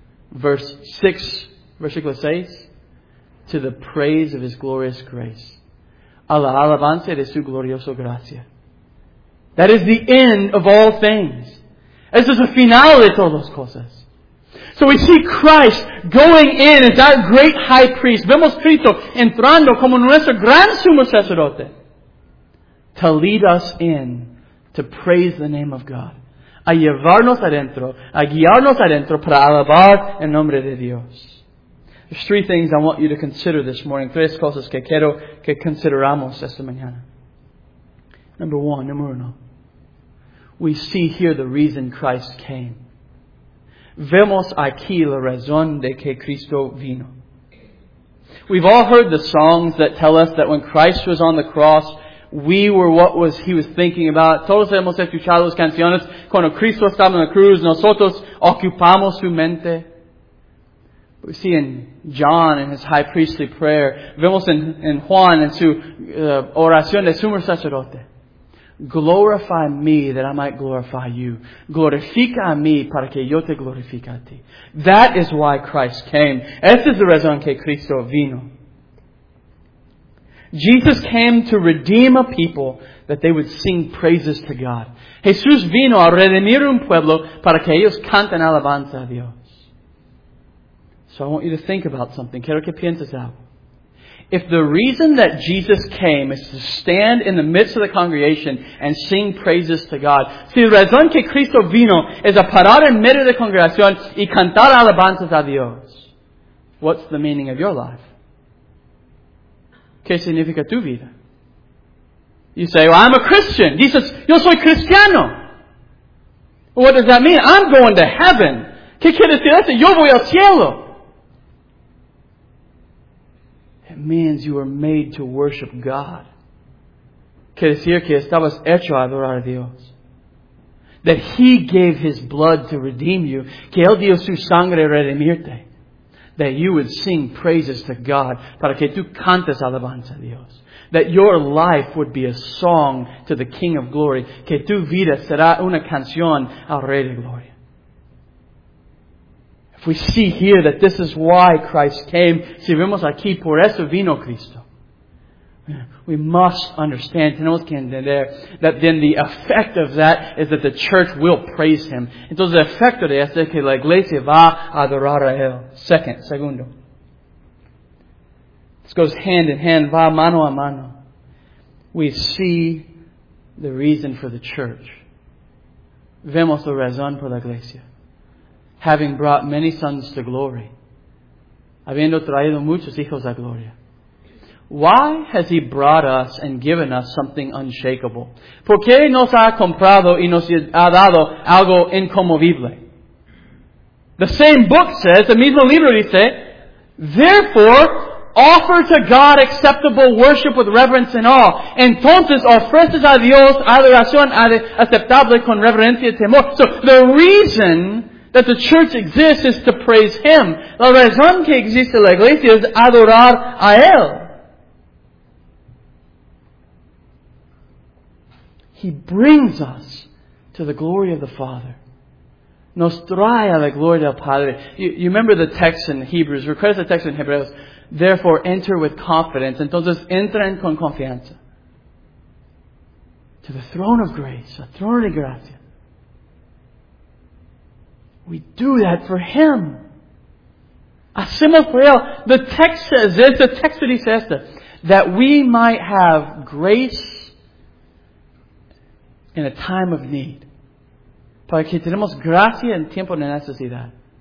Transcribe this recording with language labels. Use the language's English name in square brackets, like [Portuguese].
[English] Verse 6, [Spanish] versículo 6, [English] to the praise of his glorious grace. [Spanish] A la alabanza de su glorioso gracia. [English] That is the end of all things. [Spanish] Eso es el final de todas las cosas. [English] So we see Christ going in as our great high priest. [Spanish] Vemos Cristo entrando como nuestro gran sumo sacerdote. [English] To lead us in to praise the name of God. [Spanish] A llevarnos adentro, a guiarnos adentro para alabar el nombre de Dios. [English] There's three things I want you to consider this morning. [Spanish] Tres cosas que quiero que consideramos esta mañana. [English] Number one. We see here the reason Christ came. [Spanish] Vemos aquí la razón de que Cristo vino. [English] We've all heard the songs that tell us that when Christ was on the cross, we were what was He was thinking about. [Spanish] Todos hemos escuchado las canciones. Cuando Cristo estaba en la cruz, nosotros ocupamos su mente. [English] We see in John in his high priestly prayer. [Spanish] Vemos in Juan en su oración de sumo sacerdote. [English] Glorify me that I might glorify you. [Spanish] Glorifica a mí para que yo te glorifique a ti. [English] That is why Christ came. [Spanish] Esa es la razón que Cristo vino. [English] Jesus came to redeem a people that they would sing praises to God. [Spanish] Jesús vino a redimir un pueblo para que ellos canten alabanza a Dios. [English] So I want you to think about something. [Spanish] Quiero que pienses algo. [English] If the reason that Jesus came is to stand in the midst of the congregation and sing praises to God, [Spanish] si la razón que Cristo vino es a parar en medio de la congregación y cantar alabanzas a Dios, [English] what's the meaning of your life? [Spanish] ¿Qué significa tu vida? [English] You say, well, I'm a Christian. Jesus, [Spanish] yo soy cristiano. [English] What does that mean? I'm going to heaven. [Spanish] ¿Qué quiere decir eso? Yo voy al cielo. [English] Means you were made to worship God. [Spanish] Quiere decir que estabas hecho a adorar a Dios. [English] That He gave His blood to redeem you. [Spanish] Que Él dio su sangre a redimirte. [English] That you would sing praises to God [Spanish] para que tú cantes alabanza a Dios. [English] That your life would be a song to the King of Glory. [Spanish] Que tu vida será una canción al Rey de Gloria. [English] We see here that this is why Christ came. [Spanish] Si vemos aquí, por eso vino Cristo. [English] We must understand, [Spanish] tenemos que entender, [English] that then the effect of that is that the church will praise Him. [Spanish] Entonces, el efecto de esto es que la iglesia va a adorar a Él. Segundo. [English] This goes hand in hand, [Spanish] va mano a mano. [English] We see the reason for the church. [Spanish] Vemos la razón por la iglesia. [English] Having brought many sons to glory. [Spanish] Habiendo traído muchos hijos a gloria. [English] Why has He brought us and given us something unshakable? [Spanish] ¿Por qué nos ha comprado y nos ha dado algo inconmovible? [English] The same book says, the [Spanish] mismo libro dice, [English] therefore, offer to God acceptable worship with reverence and awe. [Spanish] Entonces, ofreces a Dios adoración aceptable con reverencia y temor. [English] So, the reason that the church exists is to praise Him. [Spanish] La razón que existe la iglesia es adorar a Él. [English] He brings us to the glory of the Father. [Spanish] Nos trae a la gloria del Padre. [English] You remember the text in Hebrews. [Spanish] Recuerda el texto en Hebreos. [English] Therefore, enter with confidence. [Spanish] Entonces, entren con confianza. [English] To the throne of grace. [Spanish] A throne de gracia. [English] We do that for Him. [Spanish] Hacemos por Él. [English] The text says this. The text that He says this. That we might have grace in a time of need. [Spanish] Para que tenemos gracia en tiempo de necesidad.